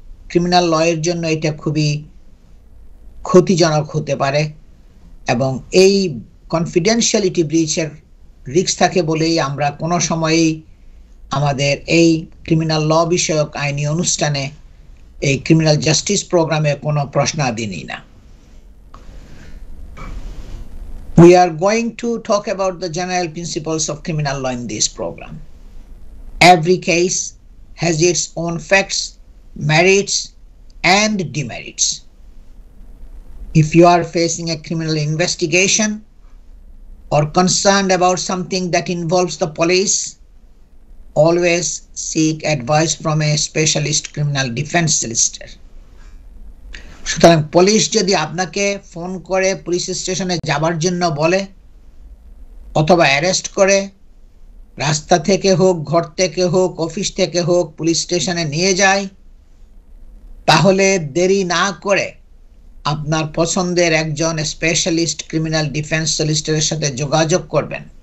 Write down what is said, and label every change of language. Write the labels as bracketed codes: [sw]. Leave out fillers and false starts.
[bn] Criminal লয়ের জন্য এটা খুবই ক্ষতিজনক হতে পারে, এবং এই কনফিডেন্সিয়ালিটি ব্রিচের রিস্ক থাকে বলেই আমরা কোনো সময়েই আমাদের এই ক্রিমিনাল ল বিষয়ক আইনি অনুষ্ঠানে, এই ক্রিমিনাল জাস্টিস প্রোগ্রামে কোনো প্রশ্নাদি নিই না। [en] We are going to talk about the general principles of criminal law in this programme. Every case has its own facts, merits and demerits. If you are facing a criminal investigation or concerned about something that involves the police, always seek advice from a specialist criminal defense solicitor. [bn] সুতরাং police যদি আপনাকে phone করে police স্টেশনে যাবার জন্য বলে, অথবা arrest করে, রাস্তা থেকে হোক, ঘর থেকে হোক, অফিস থেকে হোক, পুলিশ স্টেশনে নিয়ে যায়, তাহলে দেরি না করে আপনার পছন্দের একজন স্পেশালিস্ট ক্রিমিনাল ডিফেন্স সলিসিটারের সাথে যোগাযোগ করবেন,